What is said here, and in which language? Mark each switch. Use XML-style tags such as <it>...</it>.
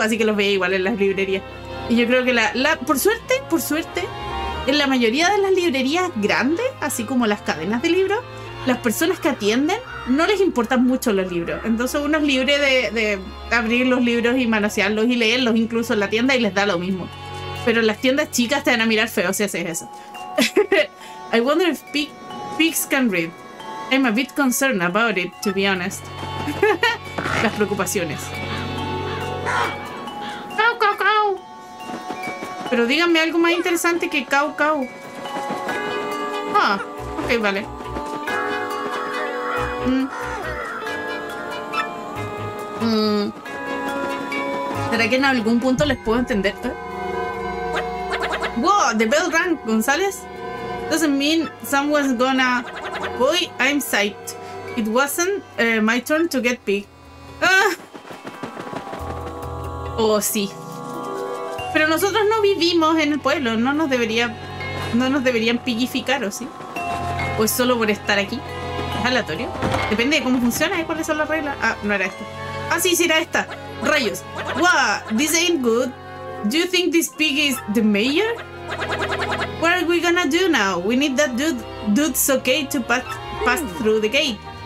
<es>Así que los veía igual en las librerías. Y yo creo que por suerte, en la mayoría de las librerías grandes, así como las cadenas de libros, las personas que atienden no les importan mucho los libros. Entonces uno es libre de abrir los libros y manosearlos y leerlos incluso en la tienda y les da lo mismo. Pero las tiendas chicas te van a mirar feo si haces eso.</es> <en>I wonder if pigs can read. I'm a bit concerned about it, to be honest.</en> <es>Las preocupaciones.</es> <en>Cow, cow, cow.</en> <es>Pero díganme algo más interesante que</es> <en>cow, cow.</en> <es>Ah, ok, vale. ¿Será que en algún punto les puedo entender?</es> <en>Wow, the bell rang, González. Doesn't mean someone's gonna... Boy, I'm psyched. It wasn't my turn to get big.</en> <es>Oh, sí. Pero nosotros no vivimos en el pueblo. No nos debería... No nos deberían pigificar, ¿o sí? ¿O es solo por estar aquí? ¿Es aleatorio? Depende de cómo funciona y cuáles son las reglas. Ah, no era esto. Ah, sí, sí, era esta. Rayos.</es> <en>Wow, this ain't good. Do you think this pig is the mayor? What are we gonna do now? We need that dude's okay to pass through the gate.</en>